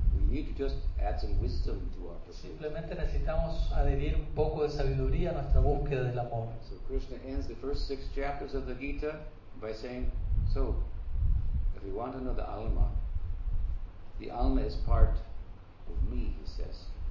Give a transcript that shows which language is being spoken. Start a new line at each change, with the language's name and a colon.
English: We need to just add some wisdom to our pursuit.
Spanish: Simplemente necesitamos adherir un poco de sabiduría a nuestra búsqueda del amor.
English: So Krishna ends the first six chapters of the Gita by saying, so, if you want to know the alma is part of me, he says.